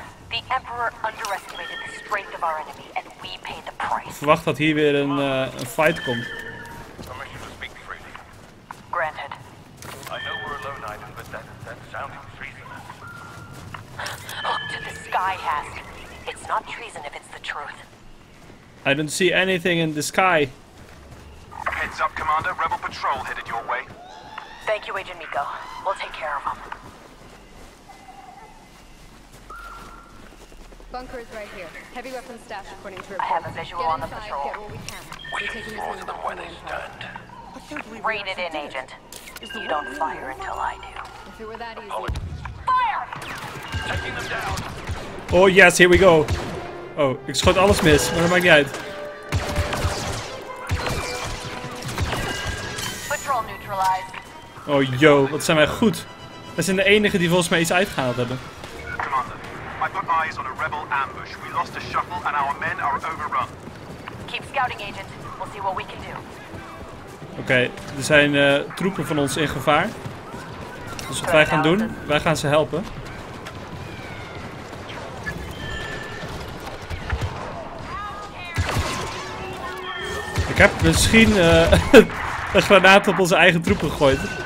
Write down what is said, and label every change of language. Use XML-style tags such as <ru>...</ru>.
<en>The Emperor underestimated the strength of our enemy and we paid the price.</en> <nl>Verwacht dat hier weer een fight komt.</nl> <en>Permission to speak freely. Granted. I know we're alone, Aiden, but that sounded treasonous. Look to the sky, Hask. It's not treason if it's the truth. I don't see anything in the sky. Heads up, Commander. Rebel patrol headed your way. Thank you, Agent Miko. We'll take care of them. Bunker is right here. Heavy weapons stashed according to report. I have a visual on the patrol. We should ignore them where they stand. Rein it in, Agent. You don't fire until I do. If it were that easy. Fire! Taking them down. Oh yes, here we go.</en> <nl>Oh, ik schot alles mis, maar dat maakt niet uit.</nl> <en>Patrol neutralized.</en> <nl>Oh yo, wat zijn wij goed. Wij zijn de enigen die volgens mij iets uitgehaald hebben.</nl> <en>Commander, I put eyes on a rebel ambush. We lost a shuttle and our men are overrun. Keep scouting, agent. We'll see what we can do.</en> <nl>Oké, er zijn troepen van ons in gevaar. Dus wat wij gaan doen, wij gaan ze helpen. Ik heb misschien een granaat op onze eigen troepen gegooid.</nl>